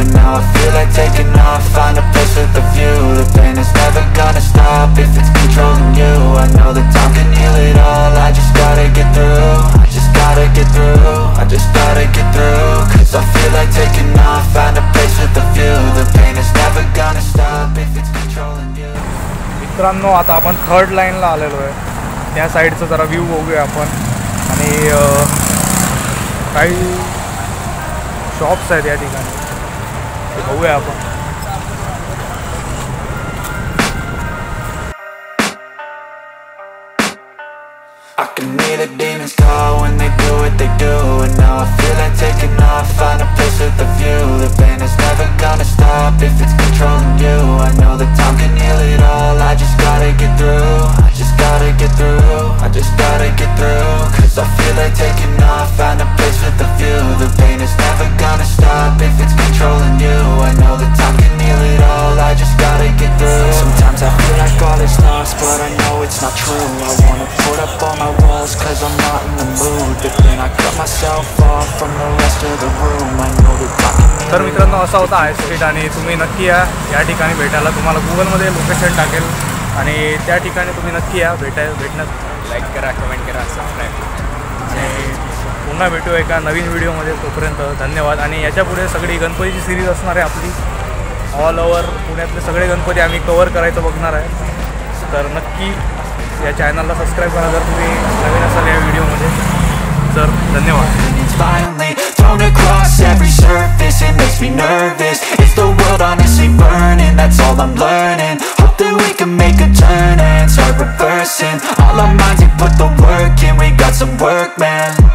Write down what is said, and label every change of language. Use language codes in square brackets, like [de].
[en] And now I feel like taking off, find a place with a view. The pain is never gonna stop if it's controlling you. I know the time can heal it all, I just gotta get through. I just gotta get through, I just gotta get through. Cause I feel like taking off, find a place with a view. The pain is never gonna stop if it's controlling you. [mr] मित्रांनो, आता आपण third लाईनला आलेलो आहे. त्या साईडचं जरा view बघूया आपण. आणि काही शॉप्स आहेत या ठिकाणी, ते बघूया आपण. [en] I can hear the demons call when they do what they do. And now I feel like taking off, find a place with a view. The pain is never gonna stop if it's controlling you. I know the time can heal it all, I just gotta get through. I just gotta get through, I just gotta get through. Cause I feel like taking off, find a place with a view. The pain is never gonna stop if it's controlling you. I know the time can heal it all, I just gotta get through. Sometimes I feel like all is lost, but I know it's not true. I wanna put up all my walls cause I'm not in the mood. But then I cut myself off from the rest of the room. I know that I can. [mr] तर मित्रांनो, असा होता हाय street. आणि तुम्ही नक्की या या ठिकाणी भेटायला. तुम्हाला गुगलमध्ये लोकेशन टाकेल. आणि त्या ठिकाणी तुम्ही नक्की या, भेटणं. लाईक करा, कमेंट करा, सबस्क्राईब करा. आणि पुन्हा भेटू एका नवीन व्हिडिओमध्ये. तोपर्यंत धन्यवाद. आणि याच्यापुढे सगळी गणपतीची सिरीज असणार आहे आपली. ऑल ओवर पुण्यातले सगळे गणपती आम्ही कवर करायचं बघणार आहे. तर नक्की या चॅनलला सबस्क्राईब करा जर तुम्ही नवीन असाल या व्हिडिओमध्ये. तर धन्यवाद. [en] thrown across every surface. It makes me nervous. Is the world honestly burning? That's all I'm learning. Hope that we can make a turn and start reversing. All our minds, we put the work in. We got some work, man.